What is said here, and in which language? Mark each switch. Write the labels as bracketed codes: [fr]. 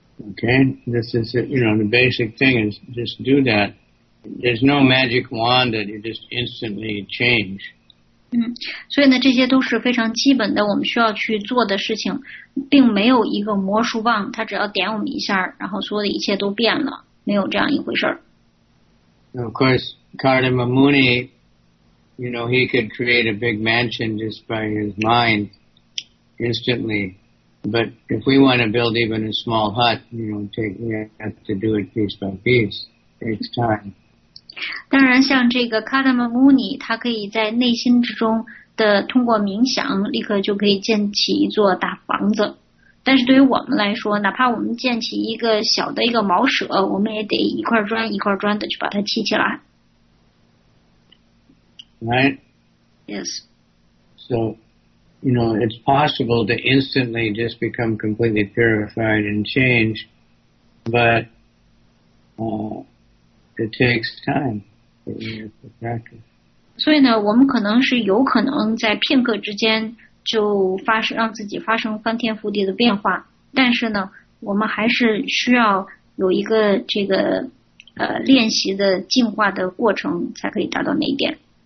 [en] Okay, this is, you know, the basic thing is just do that. There's no magic wand that you just instantly change. [zh] 所以呢，这些都是非常基本的我们需要去做的事情，并没有一个魔术棒，它只要点我们一下，然后所有的一切都变了，没有这样一回事。 [en] Of course, Kardama Muni, you know, he could create a big mansion just by his mind instantly. But if we want to build even a small hut, you know, we have to do it piece by piece. It takes time. [zh] 当然，像这个 Kardama Muni， 他可以在内心之中的通过冥想，立刻就可以建起一座大房子。但是对于我们来说，哪怕我们建起一个小的一个茅舍，我们也得一块砖一块砖的去把它砌起来。 [en] Right. Yes. So. You know, it's possible to instantly just become completely purified and change, but it takes time. Practice. [zh] 所以呢，我们可能是有可能在片刻之间就发生让自己发生翻天覆地的变化，但是呢，我们还是需要有一个这个练习的进化的过程，才可以达到那一点。